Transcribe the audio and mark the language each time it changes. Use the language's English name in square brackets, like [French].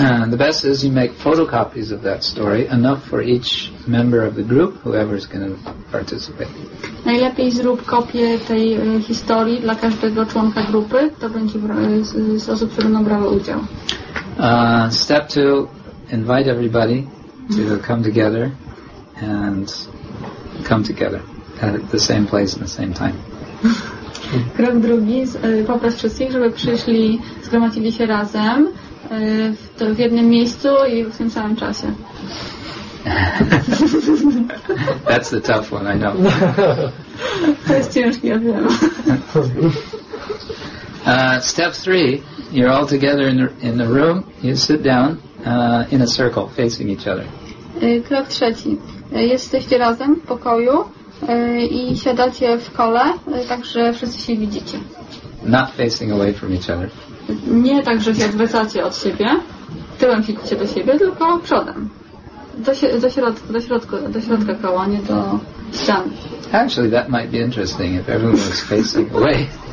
[English] The best is you make photocopies of that story, enough for each member of the group, whoever is going to participate. [Polish] Najlepiej zrób kopię tej historii dla każdego członka grupy, to będzie z osób, które będą brały udział. [English] Step two, invite everybody to come together and come together at the same place and the same time. [Polish] Krok drugi, poproś wszystkich, żeby przyszli, zgromadzili się razem w jednym miejscu i w tym samym czasie. [English] That's the tough one, I know. [Polish] To jest ciężki, ja wiem. [English] Step three, you're all together in the room, you sit down in a circle, facing each other. [Polish] Krok trzeci, jesteście razem w pokoju i siadacie w kole, także wszyscy się widzicie. [English] Not facing away from each other. [Polish] Nie tak, że się odwracacie od siebie, tyłem siedzicie do siebie, tylko przodem. Do środka koła, nie do ścian. [English] Actually, that might be interesting if everyone was facing away.